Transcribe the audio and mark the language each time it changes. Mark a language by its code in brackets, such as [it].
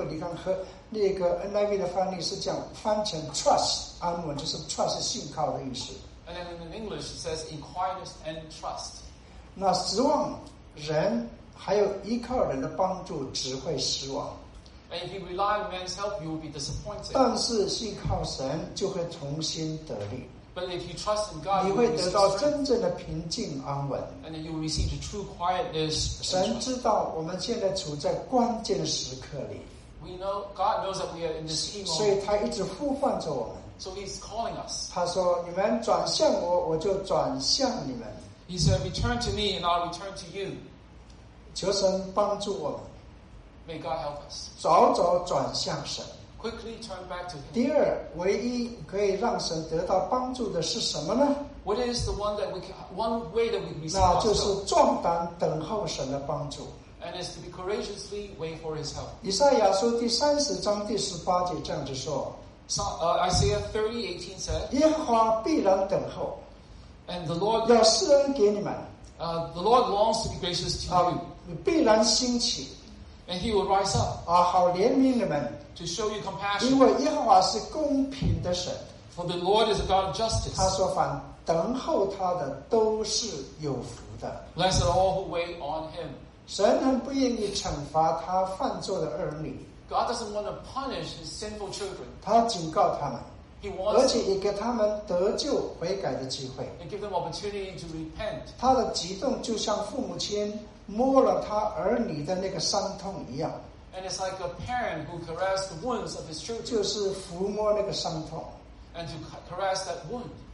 [zh] 那平静安稳的安稳呢,实际上如果你看和那个NIV的翻译是讲翻成 trust, 安稳就是trust,信靠的意思。 [en] And then in English, it says in quietness and trust. [zh] 那失望人, 还有依靠人的帮助只会失望。 [en] And if you rely on man's help, you will be disappointed. [zh] 但是信靠神就会重新得力。 [en] But if you trust in God, [zh] 你会得到真正的平静安稳。 [en] And then you will receive the true quietness. [zh] 神知道我们现在处在关键时刻里。 [en] We know, God knows that we are in this evil. [zh] 所以他一直呼唤着我们。 [en] So he's calling us. [zh] 他说,你们转向我, 我就转向你们。 [en] He said, return to me and I'll return to you. [zh] 求神帮助我们, [en] May God help us. [zh] 早早转向神, [en] quickly turn back to him. [zh] 第二, 唯一可以让神得到帮助的是什么呢? [en] What is the one that we can, one way that we can receive? [zh] 那就是壮胆等候神的帮助。 [en] And is to be courageously wait for his help. [zh] 以赛亚书第30章第18节这样子说, [en] Isaiah 30:18 said, [zh] 耶和华必然等候, [en] and the Lord [zh] 要施恩给你们, [en] the Lord longs to be gracious to you. [zh] 必然兴起, [en] and he will rise up, [zh] 好怜悯你们, [en] to show you compassion. [zh] 因为耶和华是公平的神, [en] for the Lord is a God of justice. [zh] 他说凡等候他的都是有福的, [en] blessed are all who wait on him. [zh] 神很不愿意惩罚他犯罪的儿女。 [en] God doesn't want to punish his sinful children. [zh] 他警告他们, [en] he wants, [zh] 而且也给他们得救悔改的机会, [en] and give them opportunity to repent. [zh] 他的激动就像父母亲, 摸了他儿女的那个伤痛一样, [en] and it's like a parent who caressed the wounds of his children. [zh] 就是抚摸那个伤痛, [en] and to caress that wound.